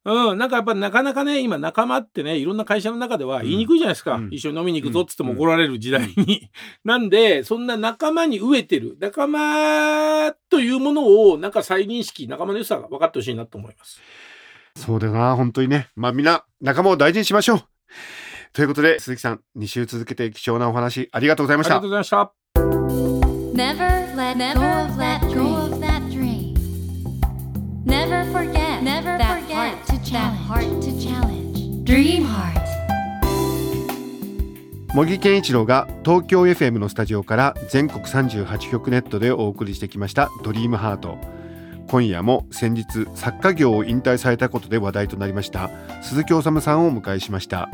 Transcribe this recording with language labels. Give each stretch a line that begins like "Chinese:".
Japanese: うん、なんかやっぱなかなかね今仲間ってねいろんな会社の中では言いにくいじゃないですか、うん、一緒に飲みに行くぞって言っても怒られる時代に、うん、なんでそんな仲間に飢えてる仲間というものをなんか再認識、仲間の良さが分かってほしいなと思います。そうだな本当にね、まあ、みんな仲間を大事にしましょうということで鈴木さん2週続けて貴重なお話ありがとうございました。ありがとうございました。
English: Never let go of that dream. Of that dream. Never forget, never that, forget heart to challenge. That heart to challenge. Dream Heart.
Japanese: 茂木健一郎が東京 FM のスタジオから全国38局ネットでお送りしてきましたドリームハート。今夜も先日作家業を引退されたことで話題となりました鈴木治さんをお迎えしました。